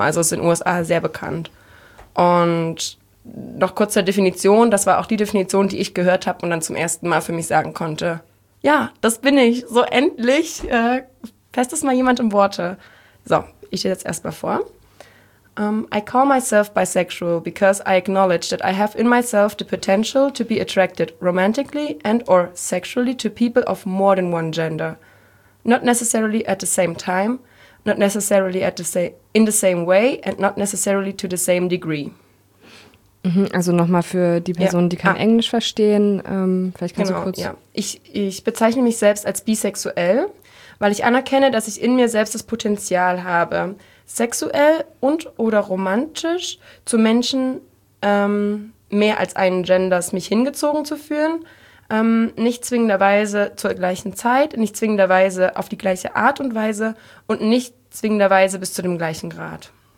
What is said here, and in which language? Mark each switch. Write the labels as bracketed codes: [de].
[de] Also ist in den USA sehr bekannt. Und noch kurz zur Definition, das war auch die Definition, die ich gehört habe und dann zum ersten Mal für mich sagen konnte, ja, das bin ich, so endlich, fest ist mal jemand in Worte. So, ich stehe jetzt erstmal vor. [en] I call myself bisexual because I acknowledge that I have in myself the potential to be attracted romantically and or sexually to people of more than one gender. Not necessarily at the same time, not necessarily at the in the same way and not necessarily to the same degree. [de] Also nochmal für die Personen, ja, die kein Englisch verstehen, vielleicht kannst genau, du kurz... Ja. Ich bezeichne mich selbst als bisexuell, weil ich anerkenne, dass ich in mir selbst das Potenzial habe, sexuell und oder romantisch zu Menschen mehr als einen Genders mich hingezogen zu fühlen, nicht zwingenderweise zur gleichen Zeit, nicht zwingenderweise auf die gleiche Art und Weise und nicht zwingenderweise bis zu dem gleichen Grad.